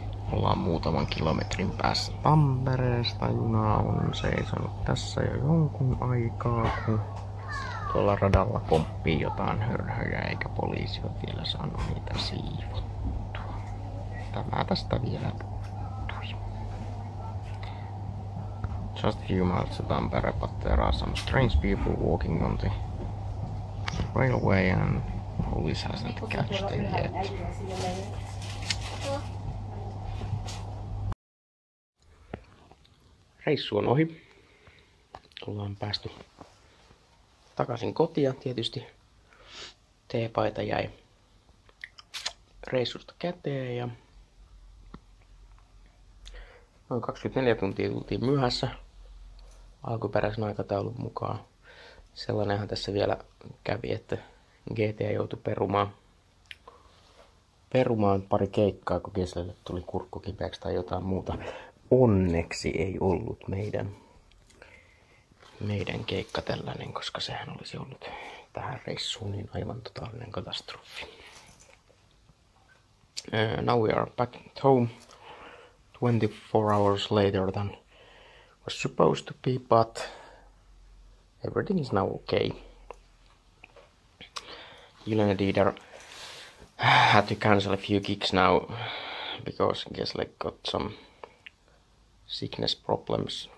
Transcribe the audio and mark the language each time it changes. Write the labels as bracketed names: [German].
[Finnish] Ollaan muutaman kilometrin päässä Tampereesta. Juna on seisonut tässä jo jonkun aikaa, kun tuolla radalla pomppii jotain hörhöjä, eikä poliisi ole vielä saanut niitä siivottua. Tämä tästä vielä puuttuisi. [English] Just a few miles to Tampere, but there are some strange people walking on the railway and police hasn't catched them yet. [Finnish] Reissu on ohi. Ollaan päästy takaisin kotiin. Tietysti teepaita jäi reissusta käteen ja noin 24 tuntia tultiin myöhässä alkuperäisen aikataulun mukaan. Sellainenhan tässä vielä kävi, että GT joutui perumaan pari keikkaa, kun Geslelle tuli kurkku kipeäksi tai jotain muuta. Onneksi ei ollut meidän keikka tällainen, koska sehän olisi ollut tähän reissuun niin aivan totaalinen katastrofi. [English] Now we are back at home 24 hours later than was supposed to be, but everything is now okay. Julian Dieter had to cancel a few gigs now because Gesle got some sickness problems.